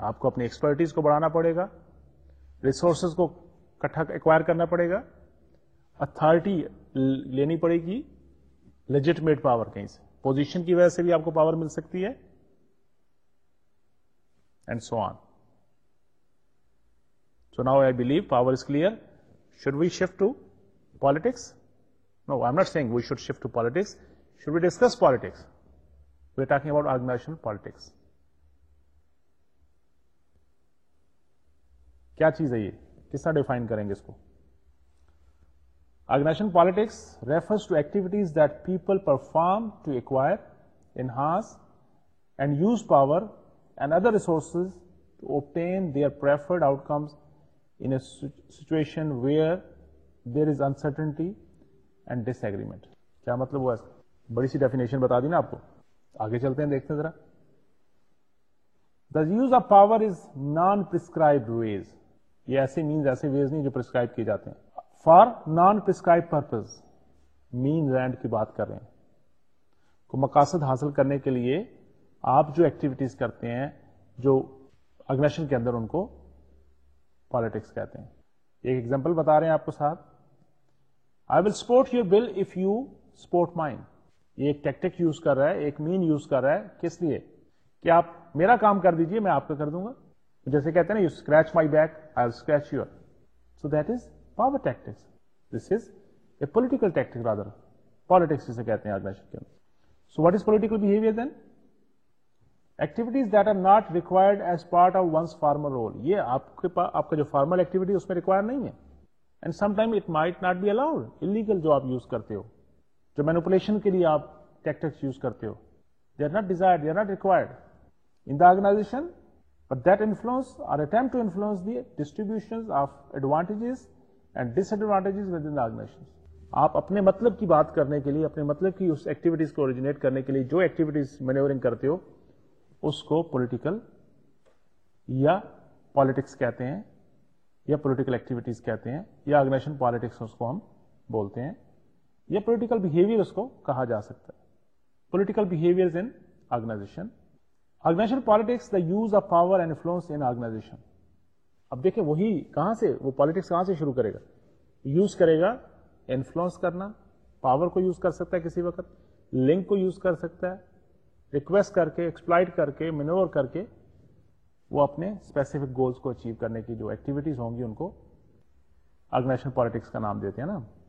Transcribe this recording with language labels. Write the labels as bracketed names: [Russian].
[Urdu] آپ کو اپنی ایکسپرٹیز کو بڑھانا پڑے گا, ریسورسز کو اکٹھا ایکوائر کرنا پڑے گا, اتھارٹی لینی پڑے گی, لیجیٹمیٹ پاور کہیں سے, پوزیشن کی وجہ سے بھی آپ کو پاور مل سکتی ہے, [English] And so on. So now I believe power is clear. Should we shift to politics? No, I'm not saying we should shift to politics. Should we discuss politics? We're talking about organizational politics. [Urdu] Kya cheez hai ye? Kisna define karenge isko? [English] Organizational politics refers to activities that people perform to acquire, enhance, and use power and other resources to obtain their preferred outcomes in a situation where there is uncertainty and disagreement. [Urdu] کیا مطلب ہوا اس کا؟ بڑی سی definition بتا دی نا آپ کو, آگے چلتے ہیں دیکھتے ذرا. [English] The use of power is non-prescribed ways. [Urdu] یہ ایسے means, ایسے ways نہیں جو prescribe کیے جاتے ہیں. [English] For non-prescribed purpose, means and [Urdu] کی بات کر رہے ہیں. کو مقاصد حاصل کرنے کے لیے آپ جو activities کرتے ہیں جو organization کے اندر ان کو پالیٹکس کہتے ہیں. ایک ایگزامپل بتا رہے ہیں آپ کو ساتھ, [English] I will support your bill if you support mine. [Urdu] یہ ایک ٹیکٹک یوز کر رہا ہے, ایک مین یوز کر رہا ہے. کس لیے؟ کہ آپ میرا کام کر دیجئے, میں آپ کا کر دوں گا. جیسے کہتے ہیں نا, [English] You scratch my back I will scratch your. So that is power tactics. This is a political tactic rather, [Urdu] politics جسے کہتے ہیں آرگنائزیشن کے اندر. [English] So what is political behaviour then? Activities that are not required as part of one's formal role. [Urdu] یہ آپ کے پاس آپ کا جو فارمل ایکٹیویٹی اس میں ریکوائر نہیں ہے. [English] And some time it might not be allowed. [Urdu] Illegal جو آپ یوز کرتے ہو, جو مینوپولیشن کے لیے آپ ٹیکٹکس یوز کرتے ہو, [English] They are not desired, they are not required in the organization. But that influence or attempt to influence the distribution of advantages and disadvantages within the organization. [Urdu] آپ اپنے مطلب کی بات کرنے کے لیے, اپنے مطلب کی اس ایکٹیویٹیز کو اوریجنیٹ کرنے کے لیے جو ایکٹیویٹیز مینیورنگ کرتے ہو اس کو پولیٹیکل یا پالیٹکس کہتے ہیں, یا پولیٹیکل ایکٹیویٹیز کہتے ہیں, یا آرگنائزیشن پالیٹکس اس کو ہم بولتے ہیں, یا پولیٹیکل بیہیویئر اس کو کہا جا سکتا ہے. [English] Political behaviours in organization, organization politics, the use of power and influence in organization. [Urdu] اب دیکھیں وہی کہاں سے, وہ پالیٹکس کہاں سے شروع کرے گا؟ یوز کرے گا انفلوئنس کرنا. پاور کو یوز کر سکتا ہے کسی وقت, لنک کو یوز کر سکتا ہے, ریکویسٹ کر کے, ایکسپلائٹ کر کے, مینور کر کے وہ اپنے اسپیسیفک گولس کو اچیو کرنے کی جو ایکٹیویٹیز ہوں گی ان کو آرگنائزیشن پالیٹکس کا نام دیتے ہیں نا.